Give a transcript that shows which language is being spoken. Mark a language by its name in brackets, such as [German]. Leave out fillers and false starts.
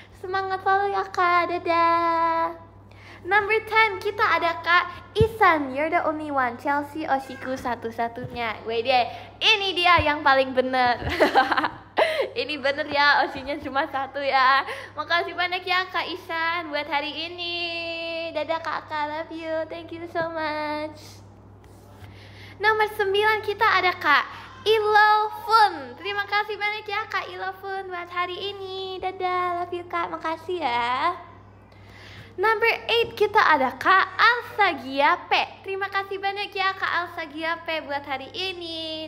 [Indonesian] Semangat selalu ya Kak. Dadah. [English] Number 10 [Indonesian] kita ada Kak Isan. [English] You're the only one, [Indonesian] Chelsea Oshiku satu-satunya. Wede, ini dia yang paling bener. Ini bener ya, Oshinya cuma satu ya. Makasih banyak ya Kak Isan buat hari ini. [English] Dadah Kakak, love you, thank you so much. Number 9 [Indonesian] kita ada Kak Ilofun. Terima kasih banyak ya Kak Ilofun buat hari ini. Dadah, [English] love you [Indonesian] Kak, makasih ya. [English] Number 8 [Indonesian] kita ada Kak Alsagia P. Terima kasih banyak ya Kak Alsagia P buat hari ini.